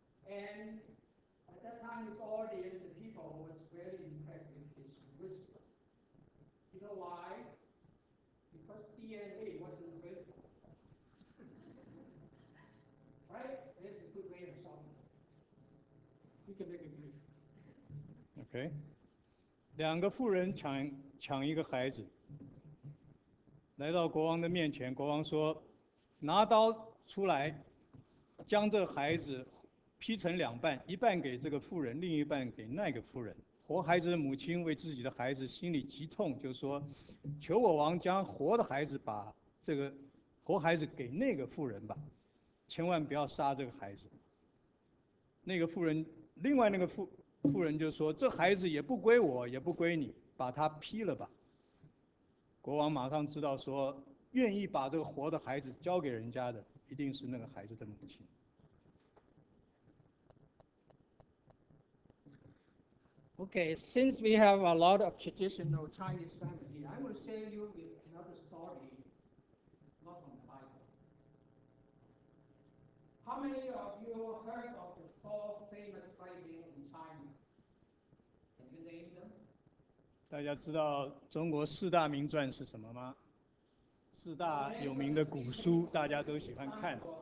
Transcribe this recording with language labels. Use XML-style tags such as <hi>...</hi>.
<en>And at that time, his audience, the people, was very impressed with his wisdom. You know why? Because DNA wasn't available. Right? That's a good way of solving it. You can make it brief. Okay.</en> <zh>两个妇人抢一个孩子，来到国王的面前，国王说：“拿刀出来，将这孩子劈成两半，一半给这个妇人，另一半给那个妇人。” 活孩子的母亲为自己的孩子心里极痛，就说：“求我王将活的孩子把这个活孩子给那个妇人吧，千万不要杀这个孩子。” 那个妇人，另外那个妇人就说：“这孩子也不归我，也不归你，把他劈了吧。” 国王马上知道说，愿意把这个活的孩子交给人家的，一定是那个孩子的母亲。</zh> <en>Okay, since we have a lot of traditional Chinese family, I will share you with another story, not from the Bible. How many of you heard of the four famous writings in China? Can you name them?</en> <zh>大家知道中国四大名传是什么吗？四大有名的古书，大家都喜欢看。</zh>